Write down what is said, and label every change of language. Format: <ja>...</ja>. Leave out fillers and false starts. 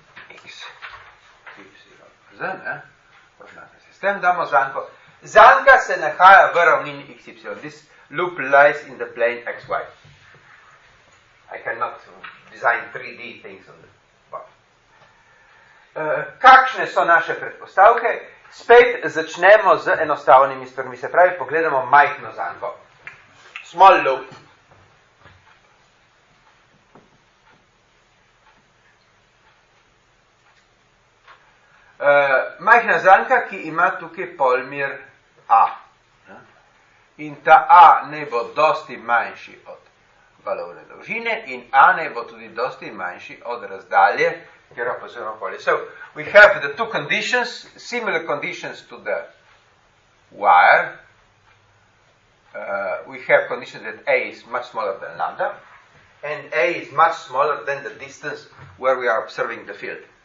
<sl>X, Y, Z, ne? S tem damo zanko. Zanka se nahaja v ravnini X, Y.</sl> <en>This loop lies in the plane X, Y. I cannot design 3D things on the box.</en> <sl>Kakšne so naše predpostavke? Spet začnemo z enostavnimi stvarmi. Se pravi, pogledamo majhno zanko.</sl> <en>Small loop.</en> <sl>Majhna zanka, ki ima tukaj polmer A. In ta A ne bo dosti manjši od valovne dolžine in A ne bo tudi dosti manjši od razdalje, kjer opozorimo polje.</sl> <en>So, we have the two conditions, similar conditions to the wire. We have conditions that A is much smaller than lambda, and A is much smaller than the distance where we are observing the field.</en>